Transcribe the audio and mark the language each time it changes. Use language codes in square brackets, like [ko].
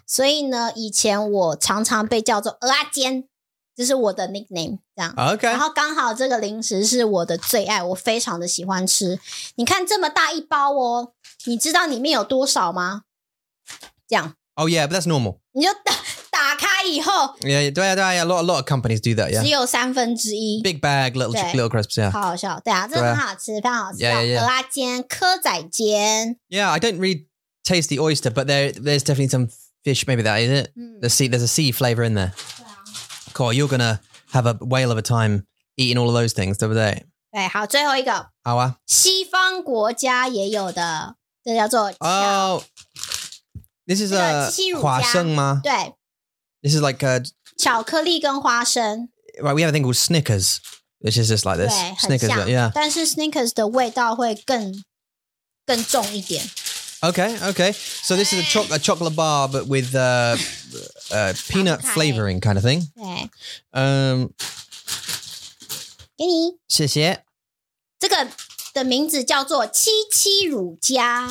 [zh] 所以呢以前我常常被叫做蚵仔煎这是我的 nickname 这样、 [en] okay. [zh] 然后刚好这个零食是我的最爱我非常的喜欢吃你看这么大一包哦你知道里面有多少吗这样 [en] Oh yeah but that's normal [zh] 你就 打开以后 [en] yeah, [zh] 对啊对啊 [en] a lot of companies do that、yeah. [zh] 只有三分之一 [en] Big bag little crisps、yeah. [zh] 好好笑对啊这很好吃、 [en] yeah. [zh] 非常好吃 [en] yeah, yeah, yeah. [zh] 蚵仔煎蚵仔煎 [en] Yeah I don't really taste the oyster but there's definitely some fish maybe that isn't it、There's a sea flavor in there、 yeah. Cool you're gonna have a whale of a time eating all of those things [zh] 对不对对好最后一个好啊西方国家也有的这叫做 [en] This is a 花生吗 [zh] 对 [en] This is like a [zh] 巧克力跟花生。 [en] Right, we have a thing called Snickers, which is just like this. [zh] 对, [en] Snickers, yeah. [zh] 但是 Snickers 的味道会更重一点。 [en] Okay, okay. So this is a chocolate bar, but with peanut flavoring kind of thing. [zh] 对。给你。谢谢。这个的名字叫做七七乳加。